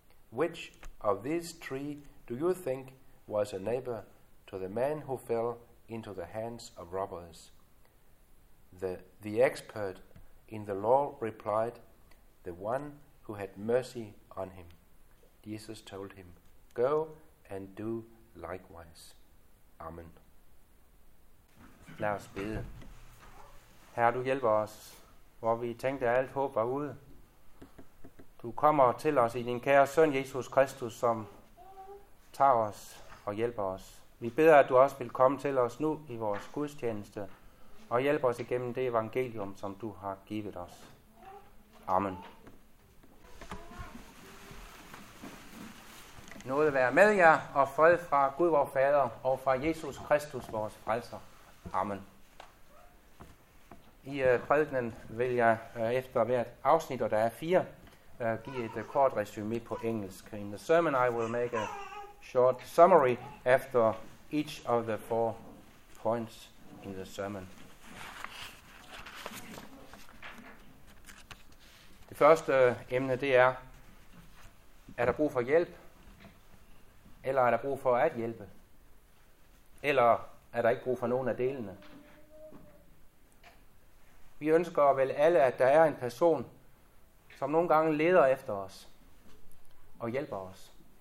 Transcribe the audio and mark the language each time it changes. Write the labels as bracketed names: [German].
[English] Which of these 3 do you think was a neighbor to the man who fell into the hands of robbers? The expert in the law replied, the one who had mercy on him. Jesus told him, go and do likewise. [Danish] Amen. Lad os bede. Herre, du hjælper os, hvor vi tænkte, at alt håb var ude. Du kommer til os i din kære søn, Jesus Kristus, som tager os og hjælper os. Vi beder, at du også vil komme til os nu i vores gudstjeneste og hjælpe os igennem det evangelium, som du har givet os. Amen. Nåde være med jer og fred fra Gud vores Fader og fra Jesus Kristus vores frelser. Amen. I prædikenen vil jeg efter hvert afsnit, og der er 4, give et kort resume på engelsk. [English] In the sermon I will make a short summary after each of the 4 points in the sermon. [Danish] Det første emne, det er der brug for hjælp, eller er der brug for at hjælpe, eller er der ikke brug for nogen af delene? Vi ønsker vel alle, at der er en person, som nogle gange leder efter os og hjælper os.